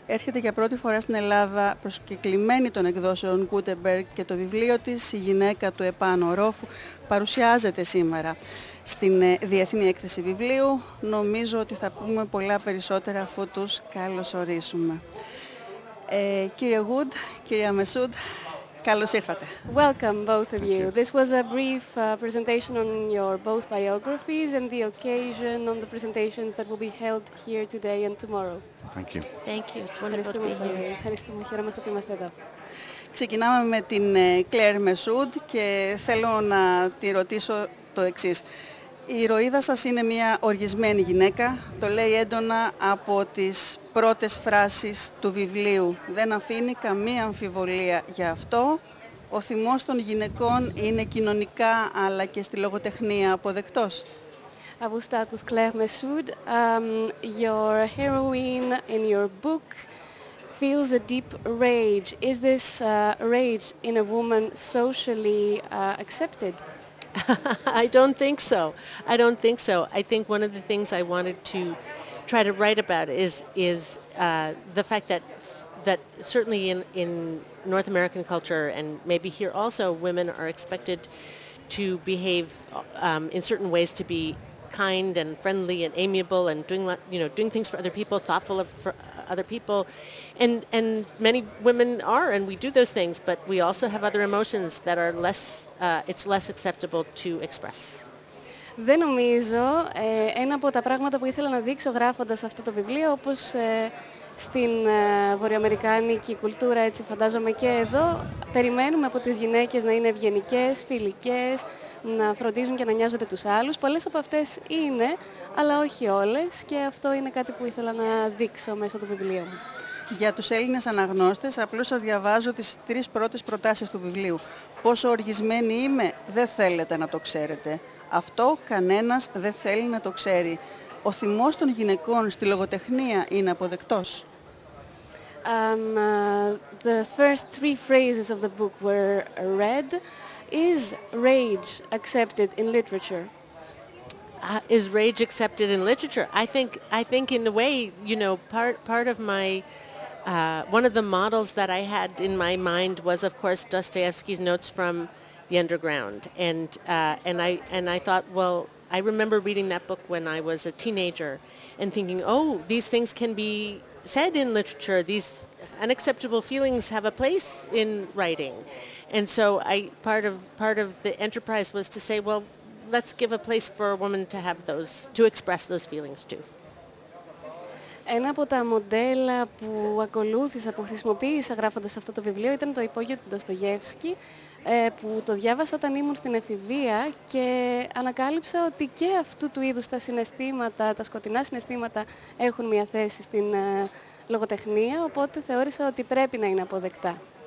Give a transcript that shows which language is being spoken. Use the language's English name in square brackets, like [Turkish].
[Greek] Έρχεται για πρώτη φορά στην Ελλάδα προσκεκλημένη των εκδόσεων Gutenberg και το βιβλίο της «Η γυναίκα του Επάνω Ρόφου» παρουσιάζεται σήμερα στην Διεθνή Έκθεση Βιβλίου. Νομίζω ότι θα πούμε πολλά περισσότερα αφού τους καλωσορίσουμε. Κύριε Γουντ, κυρία Μεσούντ, καλώς ήρθατε. [English] Welcome both of you. This was a brief presentation on your both biographies and the occasion on the presentations that will be held here today and tomorrow. Thank you. Thank you. It's wonderful to be here. [Greek] Ευχαριστούμε, χαίρομαστε που είμαστε εδώ. Ξεκινάμε με την Κλέρ Μεσούντ και θέλω να τη ρωτήσω το εξής. Η ηρωίδα σας είναι μια οργισμένη γυναίκα, το λέει έντονα από τις πρώτες φράσεις του βιβλίου. Δεν αφήνει καμία αμφιβολία για αυτό. Ο θυμός των γυναικών είναι κοινωνικά αλλά και στη λογοτεχνία αποδεκτός. [English] I will start with Claire Mesoud. Your heroine in your book feels a deep rage. Is this rage in a woman socially accepted? I don't think so. I think one of the things I wanted to try to write about is the fact that certainly in North American culture and maybe here also, women are expected to behave in certain ways, to be kind and friendly and amiable and doing, you know, doing things for other people, thoughtful for other people. And many women are, and we do those things, but we also have other emotions that are less, it's less acceptable to express. [Greek] Δεν νομίζω, ένα από τα πράγματα που ήθελα να δείξω γράφοντας αυτό το βιβλίο, όπως στην βορειοαμερικάνικη κουλτούρα, έτσι φαντάζομαι και εδώ, περιμένουμε από τις γυναίκες να είναι ευγενικές, φιλικές, να φροντίζουν και να νοιάζονται τους άλλους. Πολλές από αυτές είναι, αλλά όχι όλες, και αυτό είναι κάτι που ήθελα να δείξω μέσα του βιβλίου μου. Για τους Έλληνες αναγνώστες, απλώς σας διαβάζω τις τρεις πρώτες προτάσεις του βιβλίου. Πόσο οργισμένη είμαι, δεν θέλετε να το ξέρετε. Αυτό κανένας δεν θέλει να το ξέρει. Ο θυμός των γυναικών στη λογοτεχνία είναι αποδεκτός. [English] The first three phrases of the book were read. Is rage accepted in literature? Is rage accepted in literature? I think in a way, you know, part of my one of the models that I had in my mind was, of course, Dostoevsky's Notes from the Underground, and I thought, well, I remember reading that book when I was a teenager and thinking, oh, these things can be said in literature, these unacceptable feelings have a place in writing. And so part of the enterprise was to say, well, let's give a place for a woman to have those, to express those feelings too. [Greek] Ένα από τα μοντέλα που ακολούθησα, που χρησιμοποίησα γράφοντας αυτό το βιβλίο, ήταν το υπόγειο του Ντοστογεύσκη, που το διάβασα όταν ήμουν στην εφηβεία και ανακάλυψα ότι και αυτού του είδους τα συναισθήματα, τα σκοτεινά συναισθήματα, έχουν μια θέση στην λογοτεχνία, οπότε θεώρησα ότι πρέπει να είναι αποδεκτά.